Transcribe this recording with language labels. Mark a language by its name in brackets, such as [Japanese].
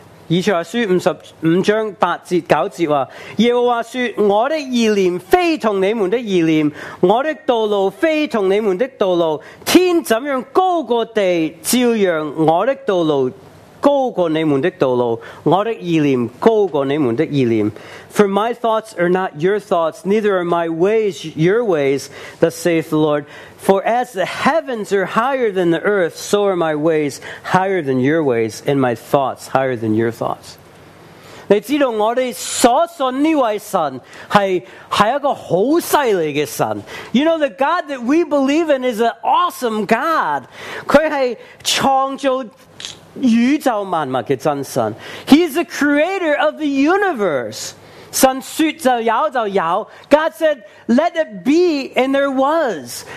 [English] For my thoughts are not your thoughts, neither are my ways your ways, thus saith the Lord. For as the heavens are higher than the earth, so are my ways higher than your ways, and my thoughts higher than your thoughts. [Cantonese] 你知道我哋所信呢位神係一個好犀利嘅神。 [English] You know, the God that we believe in is an awesome God. [Cantonese] 佢係創造宇宙萬物嘅真神。 [English] He is the creator of the universe. [Cantonese] 神说就有就有。 [English] God said, let it be, and there was.